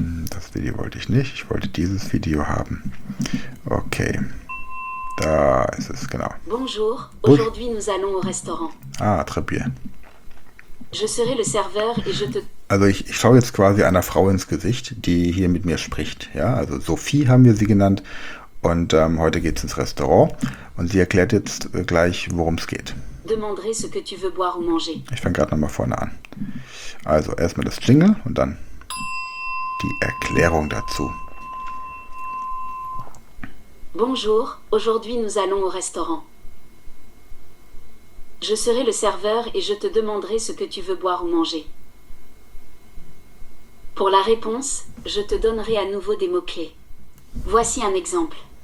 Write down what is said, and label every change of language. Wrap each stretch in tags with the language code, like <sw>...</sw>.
<de>Das Video wollte ich nicht. Ich wollte dieses Video haben. Okay. Da ist es, genau.</de> <fr>Bonjour. Aujourd'hui nous allons au restaurant. Ah, très bien. Je serai le serveur et je te...</fr> <de>Also ich schaue jetzt quasi einer Frau ins Gesicht, die hier mit mir spricht. Ja, also Sophie haben wir sie genannt. Und heute geht es ins Restaurant. Und sie erklärt jetzt gleich, worum es geht.</de> <fr>Demanderai ce que tu veux boire ou manger.</fr> <de>Ich fange gerade nochmal vorne an. Also erstmal das Jingle und dann die Erklärung dazu.</de> <fr>Bonjour, aujourd'hui nous allons au restaurant. Je serai le serveur et je te demanderai ce que tu veux boire ou manger. Pour la réponse, je te donnerai à nouveau des mots-clés. Voici un exemple.</fr>